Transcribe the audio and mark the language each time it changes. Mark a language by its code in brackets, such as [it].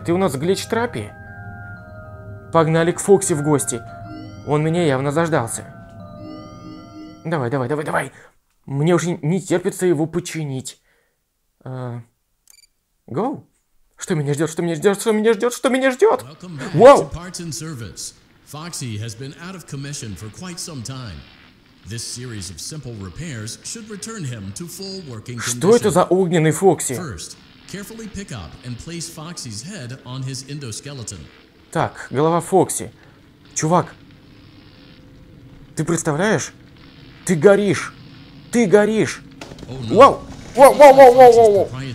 [ru] Ты у нас Glitchtrapi? Погнали к Фокси в гости. Он меня явно заждался. Давай, давай, давай, давай. Мне уже не терпится его починить. Гоу. Что меня ждет, что меня ждет, что меня ждет, что меня ждет? [en] Вау! Parts and Service. Foxy has been out of commission for quite some time. This series of simple repairs should return him to full working condition. [ru] Что это за огненный Фокси? [en] First, carefully pick up and place Foxy's head on his endoskeleton. [ru] Так, голова Фокси. Чувак. Ты представляешь? Ты горишь! Ты горишь! Вау! Вау, вау, вау, вау, вау, вау!